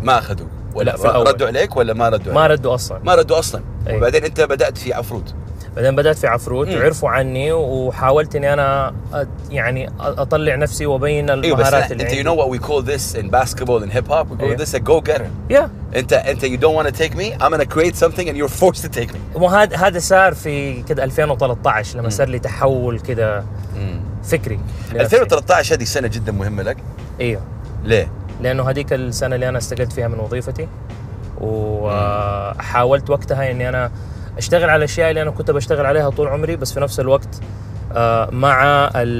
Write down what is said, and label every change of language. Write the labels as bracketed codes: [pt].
[ar] ما اخذوك ولا ردوا عليك ولا ما ردوا ما ردوا اصلا ما ردوا اصلا أيوه. وبعدين انت بدات في عفروت بعدين بدأت في عفروت وعرفوا عني وحاولت إني أنا يعني أطلع نفسي وبين المهارات اللي [en] أنت you know what we call this in basketball and hip hop we call this a go getter yeah أنت you don't want to take me I'm gonna create something and you're forced to take me [ar] وهذا صار في كده 2013 لما صار لي تحول كده فكري 2013 هذه سنة جدا مهمة لك إيه ليه لأنه هذيك السنة اللي أنا استقلت فيها من وظيفتي وحاولت وقتها إني أنا اشتغل على الاشياء اللي انا كنت بشتغل عليها طول عمري بس في نفس الوقت مع